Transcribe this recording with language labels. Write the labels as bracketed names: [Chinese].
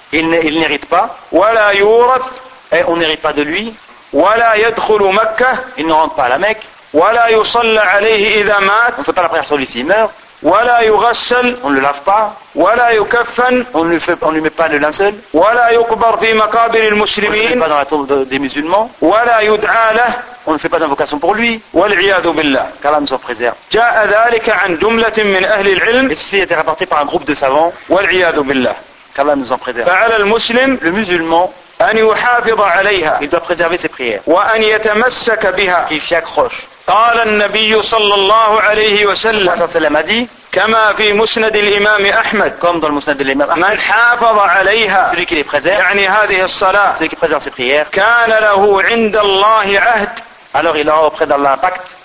[French] Il n'hérite pas. [Arabic] ولا يورث. [French] Et on n'hérite pas de lui. [Arabic] ولا يدخل مكة. [French] Il ne rentre pas à la Mecque. [Arabic] ولا يصلى عليه إذا مات. [French] On ne fait pas la prière sur lui s'il meurt. [Arabic] ولا يغسل. [French] On ne le lave pas. [Arabic] ولا يكفن. [French] On ne lui met pas le linceul. [Arabic] ولا يقبر في مقابر المسلمين. [French] On ne le fait pas dans la tombe des musulmans. [Arabic] ولا يدعى له. [French] On ne fait pas d'invocation pour lui. [Arabic] والعياذ بالله. [French] Qu'Allah nous en préserve. [Arabic] جاء ذلك عن جملة من أهل العلم. [French] Et ceci a été rapporté par un groupe de savants. [Arabic] والعياذ بالله. [French] qu'Allah nous en préserve. [Arabic] فعلى المسلم, [French] le musulman, [Arabic] أن يحافظ عليها, [French] il doit préserver ses prières, [Arabic] وأن يتمسك بها, [French] qu'il s'y accroche. [Arabic] قال النبي صلى الله عليه وسلم, كما في مسند الإمام أحمد, [French] comme dans le musnad de l'imam Ahmed, [Arabic] من حافظ عليها, [French] celui qui les préserve, [Arabic] يعني هذه الصلاة, [French] celui qui préserve ses prières, [Arabic] كان له عند الله عهد, [French] alors il a auprès d'Allah un pacte